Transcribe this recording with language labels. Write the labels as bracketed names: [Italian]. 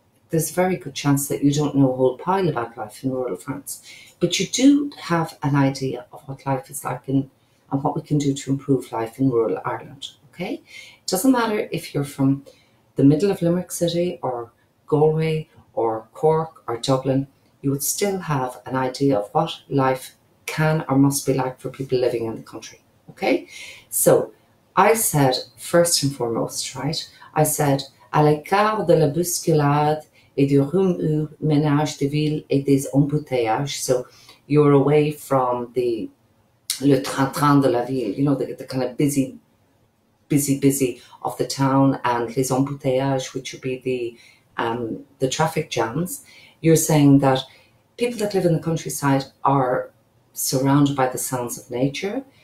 [English] There's a very good chance that you don't know a whole pile about life in rural France, but you do have an idea of what life is like in, and what we can do to improve life in rural Ireland, okay? It doesn't matter if you're from the middle of Limerick City or Galway or Cork or Dublin, you would still have an idea of what life can or must be like for people living in the country, okay? So I said, first and foremost, right? [French] I said, à l'écart de la bousculade et du remue ménage de ville et des embouteillages. [English] So you're away from the [French] le train-train de la ville, [English] you know, the kind of busy of the town and [French] les embouteillages, [English] which would be the traffic jams. You're saying that people that live in the countryside are surrounded by the sounds of nature.